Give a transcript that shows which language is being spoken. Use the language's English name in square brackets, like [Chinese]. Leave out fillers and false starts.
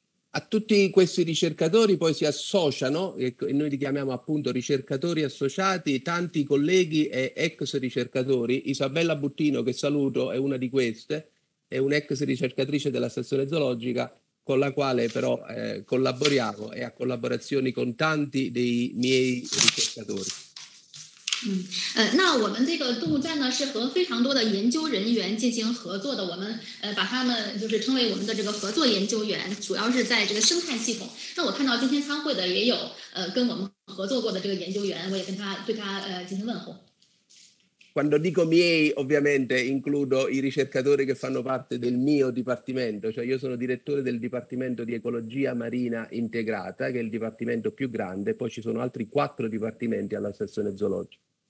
[Italian] A tutti questi ricercatori poi si associano, e noi li chiamiamo appunto ricercatori associati, tanti colleghi e ex ricercatori. Isabella Buttino, che saluto, è una di queste, è un'ex ricercatrice della stazione zoologica con la quale però collaboriamo e ha collaborazioni con tanti dei miei ricercatori. [Chinese] 那我们这个动物站呢，是和非常多的研究人员进行合作的。我们把他们就是称为我们的这个合作研究员，主要是在这个生态系统。那我看到今天参会的也有跟我们合作过的这个研究员，我也跟他进行问候。 [Italian] Quando dico miei, ovviamente includo i ricercatori che fanno parte del mio dipartimento, cioè io sono direttore del dipartimento di ecologia marina integrata, che è il dipartimento più grande, poi ci sono altri quattro dipartimenti alla sezione zoologica.